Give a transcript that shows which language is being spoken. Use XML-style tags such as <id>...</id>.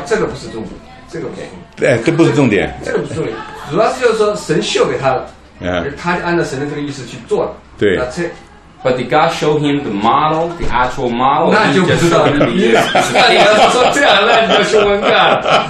<zh>这个不是重点，这个不是重点。哎，这不是重点。这个不是重点，主要是就是说神秀给他了，他就按照神的这个意思去做了。对。那这</zh> <en>，But did God show him the model, the actual model?</en> <zh>那就不知道了。你要是说这样，那你就是问题了。</zh>